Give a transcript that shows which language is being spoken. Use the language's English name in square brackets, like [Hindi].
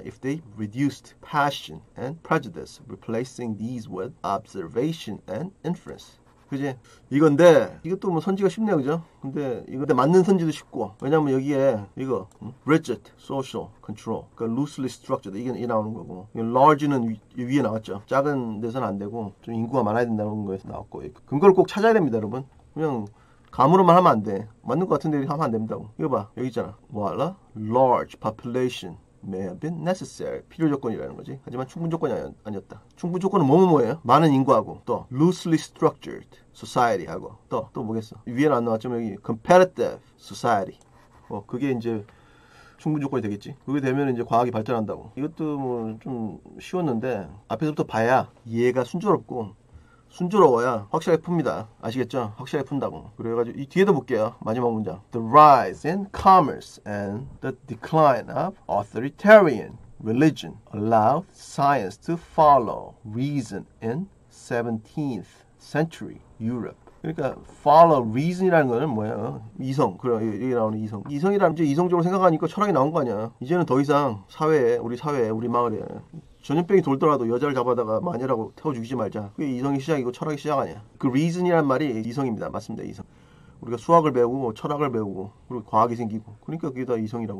[English] If they reduced passion and prejudice, replacing these with observation and inference. [Korean] 그지? 이건데 이것도 뭐 선지가 쉽네요, 그죠? 근데 이거 맞는 선지도 쉽고. 왜냐면 여기에 이거 [English] rigid social control, [Korean] 그러니까 [English] loosely structured [Korean] 이게 나오는 거고, large는 위에 나왔죠. 작은 데서는 안 되고 좀 인구가 많아야 된다는 거에서 나왔고. 근거를 꼭 찾아야 됩니다, 여러분. 그냥 감으로만 하면 안 돼. 맞는 것 같은데 이렇게 하면 안 됩니다. 이거 봐, 여기 있잖아. [English] Voila, large population may have been necessary. [Korean] 필요 조건이라는 거지. 하지만 충분 조건이 아니었다. 충분 조건은 뭐예요? 많은 인구하고, 또 [English] loosely structured society [Korean] 하고, 또 뭐겠어. 위에는 안 나왔지만 여기 [English] competitive society. [Korean] 뭐 그게 이제 충분 조건이 되겠지. 그게 되면 이제 과학이 발전한다고. 이것도 뭐 좀 쉬웠는데 앞에서부터 봐야 이해가 순조롭고 순조로워야 확실하게 풉니다. 아시겠죠? 확실하게 푼다고. 그래가지고 이 뒤에도 볼게요. 마지막 문장. [English] The rise in commerce and the decline of authoritarian religion allowed science to follow reason in 17th century Europe. [Korean] 그러니까 [English] follow reason [Korean] 이라는 거는 뭐예요? 이성. 그래, 여기 나오는 이성. 이성이라는 게 이성적으로 생각하니까 철학이 나온 거 아니야. 이제는 더 이상 사회에, 우리 사회에, 우리 마을에 전염병이 돌더라도 여자를 잡아다가 마녀라고 태워 죽이지 말자. 그게 이성의 시작이고 철학의 시작 아니야. 그 reason이란 말이 이성입니다. 맞습니다. 이성. 우리가 수학을 배우고 철학을 배우고 그리고 과학이 생기고 그러니까 그게 다 이성이라고.